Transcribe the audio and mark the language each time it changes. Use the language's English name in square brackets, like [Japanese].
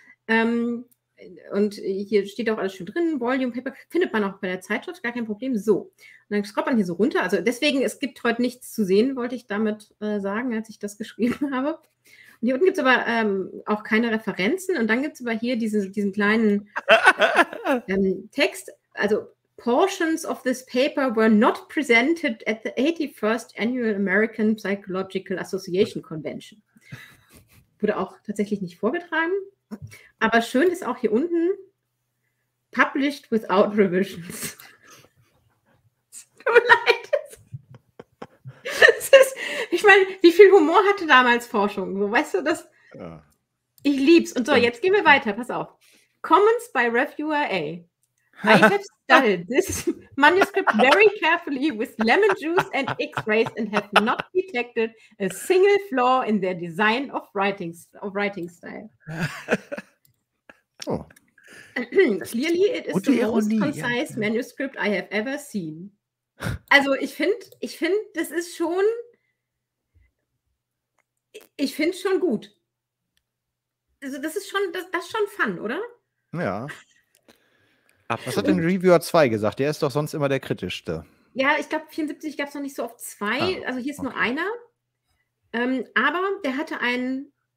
[German] Und hier steht auch alles schon drin: Volume, Paper, findet man auch bei der Zeitschrift, gar kein Problem. So. Und dann scrollt man hier so runter. Also, deswegen, es gibt heute nichts zu sehen, wollte ich damit sagen, als ich das geschrieben habe. Und hier unten gibt es aber auch keine Referenzen. Und dann gibt es aber hier diesen kleinen Text. [English] Also, Portions of this paper were not presented at the 81st Annual American Psychological Association Convention. [German] Wurde auch tatsächlich nicht vorgetragen. Aber schön ist auch hier unten, [English] published without revisions. [German] Tut mir leid. Ich meine, wie viel Humor hatte damals Forschung? So, weißt du, das? Ja. Ich lieb's. Und so, jetzt gehen wir weiter. [English] Pass auf. Comments by Reviewer A. I have studied this manuscript very carefully with lemon juice and x-rays and have not detected a single flaw in their design of writing style. Oh. Clearly it is the most concise manuscript I have ever seen. [German] Also ich finde, das ist schon, ich finde es schon gut. Also das ist schon, das ist schon fun, oder? Ja. Absolut. Was hat denn Reviewer 2 gesagt? Der ist doch sonst immer der Kritischste. Ja, ich glaube 74 gab es noch nicht so oft zwei, also hier ist nur einer. Aber der hatte einen